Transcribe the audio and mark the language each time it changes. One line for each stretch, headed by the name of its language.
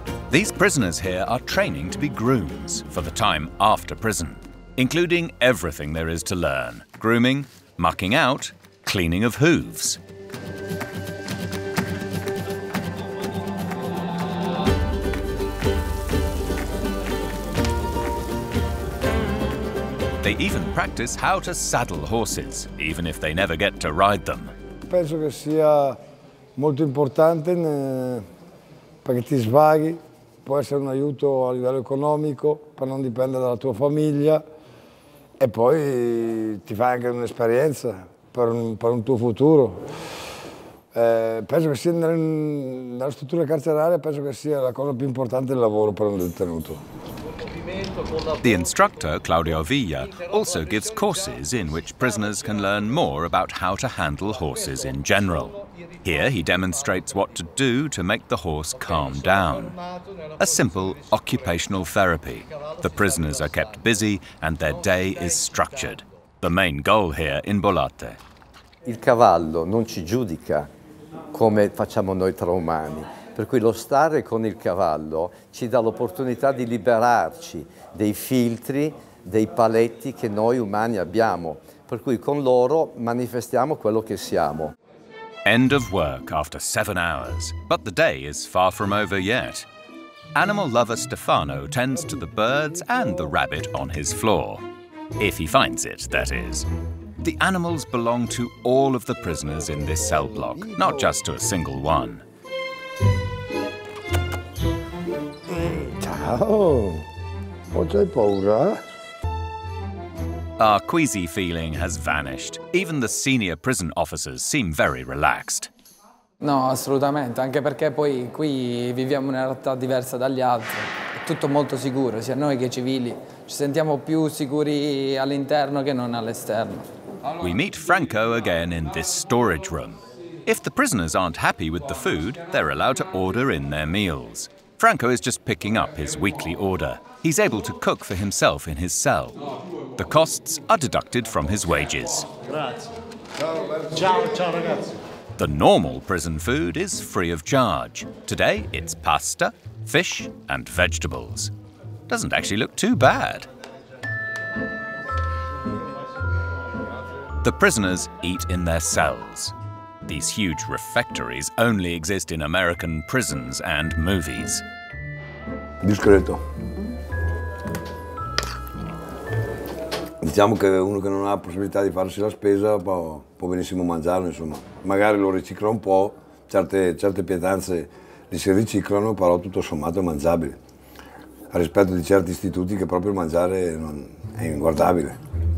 English: These prisoners here are training to be grooms for the time after prison, including everything there is to learn: grooming, mucking out, cleaning of hooves. They even practice how to saddle horses, even if they never get to ride them.
Italian: Penso che sia molto importante perché ti svaghi, può essere un aiuto a livello economico per non dipendere dalla tua famiglia e poi ti fa anche un'esperienza per un tuo futuro. Penso che sia nella struttura carceraria penso che sia la cosa più importante del lavoro per un detenuto.
English: The instructor, Claudio Villa, also gives courses in which prisoners can learn more about how to handle horses in general. Here he demonstrates what to do to make the horse calm down. A simple occupational therapy. The prisoners are kept busy and their day is structured. The main goal here in Bollate.
Italian: Il cavallo non ci giudica come facciamo noi tra umani. Per cui lo stare con il cavallo ci dà l'opportunità di liberarci dei filtri, dei paletti che noi umani abbiamo. Per cui con loro manifestiamo quello che siamo.
English: End of work after 7 hours, but the day is far from over yet. Animal lover Stefano tends to the birds and the rabbit on his floor. If he finds it, that is. The animals belong to all of the prisoners in this cell block, not just to a single one.
Italian: Oh, hai paura?
English: Our queasy feeling has vanished. Even the senior prison officers seem very relaxed.
Italian: No, assolutamente, anche perché poi qui viviamo una realtà diversa dagli altri. È tutto molto sicuro, sia noi che I civili. Ci sentiamo più sicuri all'interno che non all'esterno.
English: We meet Franco again in this storage room. If the prisoners aren't happy with the food, they're allowed to order in their meals. Franco is just picking up his weekly order. He's able to cook for himself in his cell. The costs are deducted from his wages.
Italian: Ciao, ciao ragazzi.
English: The normal prison food is free of charge. Today it's pasta, fish, and vegetables. Doesn't actually look too bad. The prisoners eat in their cells. These huge refectories only exist in American prisons and movies.
Italian: Discreto. Diciamo che uno che non ha possibilità di farsi la spesa può benissimo mangiarlo, insomma. Magari lo ricicla un po', certe pietanze li si riciclano, però tutto sommato è mangiabile. A rispetto di certi istituti che proprio mangiare non è inguardabile.